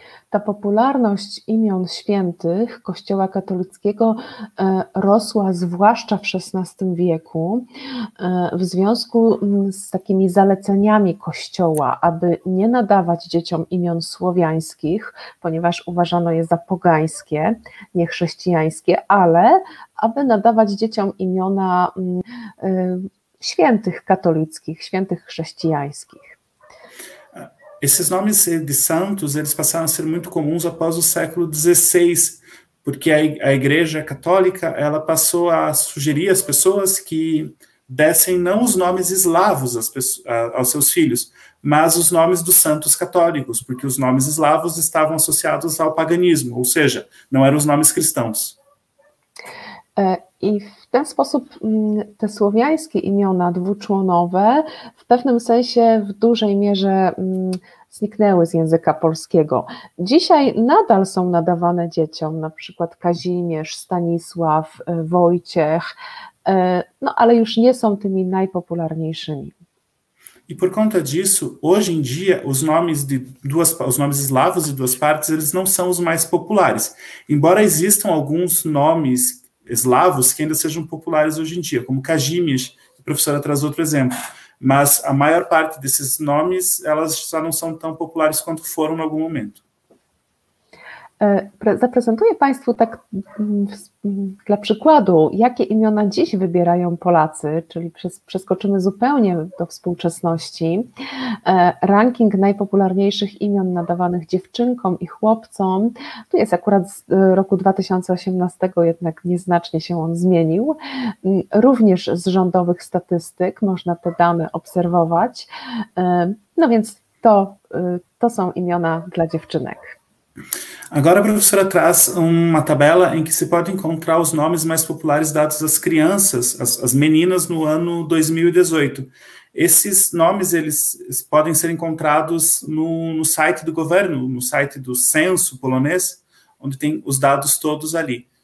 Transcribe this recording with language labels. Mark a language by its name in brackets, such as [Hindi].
[Polish] Ta popularność imion świętych Kościoła katolickiego rosła zwłaszcza w XVI wieku w związku z takimi zaleceniami Kościoła, aby nie nadawać dzieciom imion słowiańskich, ponieważ uważano je za pogańskie, niechrześcijańskie, ale aby nadawać dzieciom imiona świętych katolickich, świętych chrześcijańskich. [Portuguese] Esses nomes de santos, eles passaram a ser muito comuns após o século XVI, porque a Igreja Católica, ela passou a sugerir às pessoas que dessem não os nomes eslavos aos seus filhos, mas os nomes dos santos católicos, porque os nomes eslavos estavam associados ao paganismo, ou seja, não eram os nomes cristãos. [Polish] I w ten sposób te słowiańskie imiona dwuczłonowe w pewnym sensie w dużej mierze zniknęły z języka polskiego. Dzisiaj nadal są nadawane dzieciom, na przykład Kazimierz, Stanisław, Wojciech, no ale już nie są tymi najpopularniejszymi. [Portuguese] I por conta disso, hoje em dia os nomes eslavos de duas partes, eles não são os mais populares. Embora existam alguns nomes eslavos que ainda sejam populares hoje em dia, como Kazimierz, a professora traz outro exemplo, mas a maior parte desses nomes, elas já não são tão populares quanto foram em algum momento. [Polish] Zaprezentuję Państwu tak dla przykładu, jakie imiona dziś wybierają Polacy, czyli przeskoczymy zupełnie do współczesności. Ranking najpopularniejszych imion nadawanych dziewczynkom i chłopcom, tu jest akurat z roku 2018, jednak nieznacznie się on zmienił. Również z rządowych statystyk można te dane obserwować. No więc to są imiona dla dziewczynek. [Portuguese] Agora a professora traz uma tabela em que se pode encontrar os nomes mais populares dados às crianças, às meninas, no ano 2018. Esses nomes, eles podem ser encontrados no site do governo, no site do censo polonês, onde tem os dados todos ali.